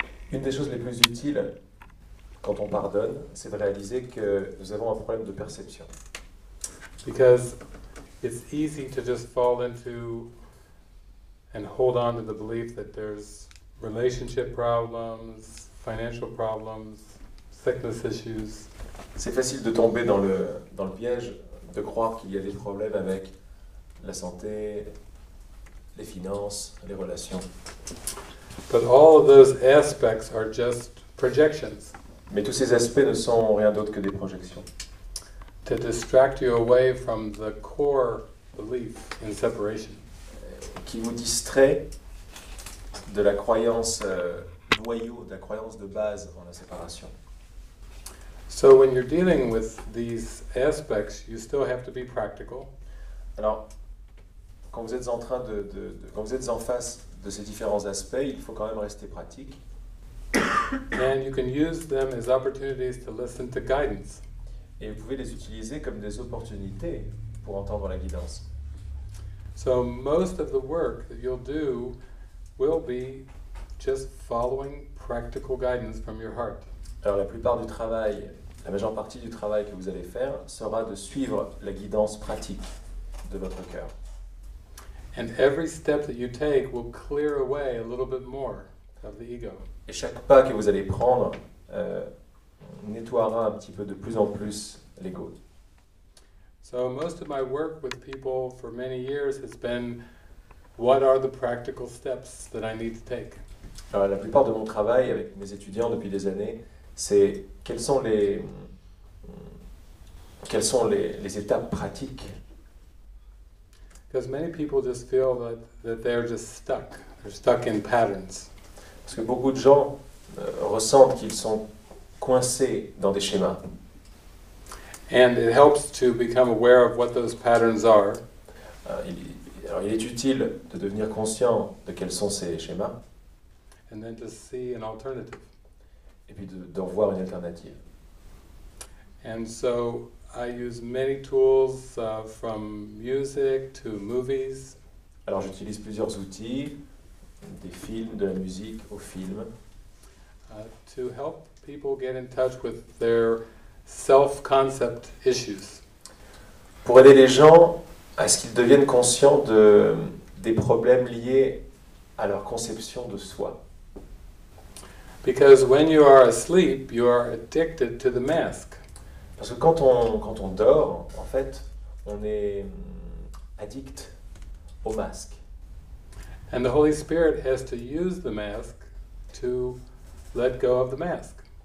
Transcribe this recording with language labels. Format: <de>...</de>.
<fr>Une des choses les plus utiles quand on pardonne, c'est de réaliser que nous avons un problème de perception.</fr> <en>Because it's easy to just fall into and hold on to the belief that there's relationship problems, financial problems, sickness issues.</en> <fr>C'est facile de tomber dans le piège de croire qu'il y a des problèmes avec la santé, les finances, les relations.</fr> <en>But all of those aspects are just projections.</en> <fr>Mais tous ces aspects ne sont rien d'autre que des projections.</fr> <en>To distract you away from the core belief in separation.</en> <fr>Qui vous distrait de la croyance noyau, de la croyance de base en la séparation.</fr> <en>So when you're dealing with these aspects, you still have to be practical.</en> <fr>Alors, quand vous êtes en train de quand vous êtes en face de ces différents aspects, il faut quand même rester pratique.</fr> <en>And you can use them as opportunities to listen to guidance.</en> <fr>Et vous pouvez les utiliser comme des opportunités pour entendre la guidance.</fr> <en>So most of the work that you'll do will be just following practical guidance from your heart.</en> <fr>Alors la plupart du travail, la majeure partie du travail que vous allez faire sera de suivre la guidance pratique de votre cœur.</fr> <en>And every step that you take will clear away a little bit more of the ego.</en> <fr>Et chaque pas que vous allez prendre nettoiera un petit peu de plus en plus l'ego.</fr> <en>So most of my work with people for many years has been, what are the practical steps that I need to take?</en> <fr>Alors, la plupart de mon travail avec mes étudiants depuis des années, c'est quelles sont les étapes pratiques.</fr> <en>Because many people just feel that they're just stuck. They're stuck in patterns.</en> <fr>Parce que beaucoup de gens ressentent qu'ils sont coincés dans des schémas.</fr> <en>And it helps to become aware of what those patterns are.</en> <fr>Alors il est utile de devenir conscient de quels sont ces schémas.</fr> <en>And then to see an alternative.</en> <fr>Et puis de voir une alternative.</fr> <en>And so I use many tools from music to movies.</en> <fr>Alors j'utilise plusieurs outils, des films, de la musique aux films.</fr> <en>To help people get in touch with their self-concept issues.</en> <fr>Pour aider les gens à ce qu'ils deviennent conscients des problèmes liés à leur conception de soi.</fr> <en>Because when you are asleep, you are addicted to the mask.</en> <fr>Parce que quand on dort, en fait, on est addict au masque.</fr> <en>And the Holy Spirit has to use the mask to let go of the mask.</en>